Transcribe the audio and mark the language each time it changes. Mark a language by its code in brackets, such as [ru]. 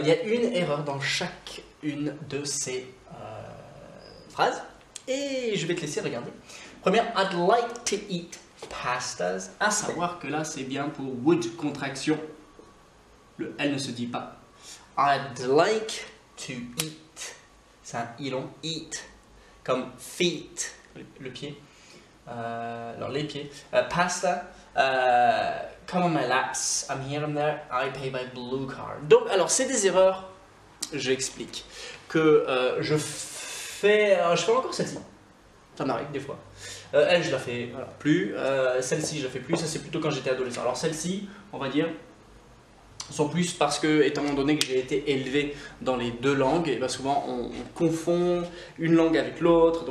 [fr] Il y a une erreur dans chacune de ces phrases. Et je vais te laisser regarder. [en] Première, I'd like to eat pastas. [fr] À savoir que là, c'est bien pour would, contraction. Le L ne se dit pas. [en] I'd like to eat, [fr] c'est un i long, [en] eat, [fr] comme [en] feet, [fr] le pied, alors les pieds, [en] pasta, come on my laps, I'm here and there, I pay by blue card. [fr] Donc alors c'est des erreurs, j'explique, que je fais encore celle-ci, ça m'arrive des fois, elle je la fais voilà, plus, celle-ci je la fais plus, ça c'est plutôt quand j'étais adolescent, alors celle-ci on va dire, sont plus parce que, étant donné que j'ai été élevé dans les deux langues, et bien souvent on confond une langue avec l'autre.